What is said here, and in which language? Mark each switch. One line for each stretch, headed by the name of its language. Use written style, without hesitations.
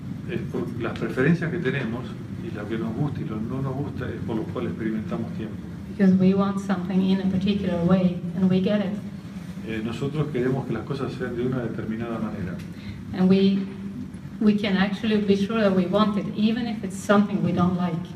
Spanish: Es por las preferencias que tenemos y lo que nos gusta y lo que no nos gusta es por lo cual experimentamos tiempo.
English: Because we want something in a particular way and we get it.
Spanish: Nosotros queremos que las cosas sean de una determinada manera.
English: And we can actually be sure that we want it even if it's something we don't like.